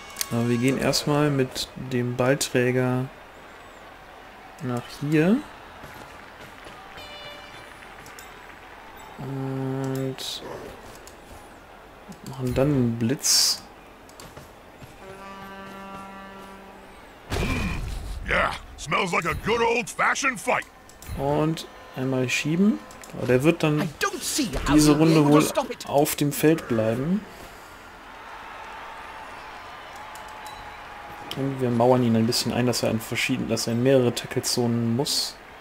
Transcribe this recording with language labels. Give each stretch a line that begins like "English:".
German: Aber wir gehen erstmal mit dem Ballträger nach hier. Und machen dann einen Blitz.
English: Yeah, smells like a good old fashioned fight.
German: Und einmal schieben. Aber der wird dann diese Runde wohl auf dem Feld bleiben. Und wir mauern ihn ein bisschen ein, dass er in mehrere Tackle-Zonen muss.